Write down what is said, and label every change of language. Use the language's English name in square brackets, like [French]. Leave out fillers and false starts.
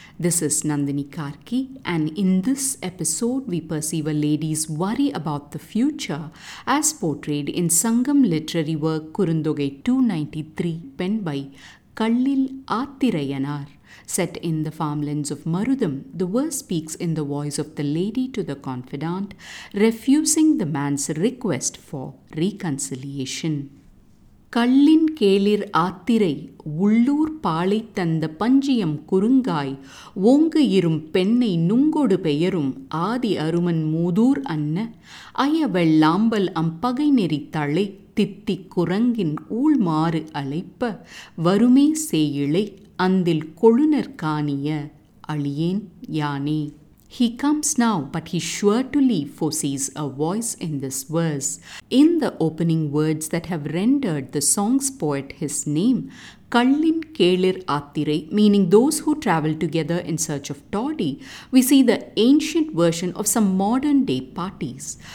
[English] This is Nandini Karki, and in this episode we perceive a lady's worry about the future as portrayed in Sangam literary work Kurundogai 293 penned by Kallil Aathirayanar. Set in the farmlands of Marudam, the verse speaks in the voice of the lady to the confidant, refusing the man's request for reconciliation. [Tamil] கள்ளின் கேளிர் ஆத்திரை உள்ளூர் பாளை தந்த பஞ்சியம் குறுங்காய் ஓங்கு இரும் பெண்ணை நுங்கொடு பெயரும் ஆதி அருமன் மூதூர் அன்ன அயவெல்லாம்பல் அம்பகை நெறி தழை தித்தி குரங்கின் ஊழ் மாறு அழைப்ப வருமே செய்யிழை அந்தில் கொழுனர் காணிய அழியேன் யானே. [English] He comes now, but he sure to leave foresees a voice in this verse. In the opening words that have rendered the song's poet his name, Kallin Kelir Aathirai, meaning those who travel together in search of toddy, we see the ancient version of some modern day parties.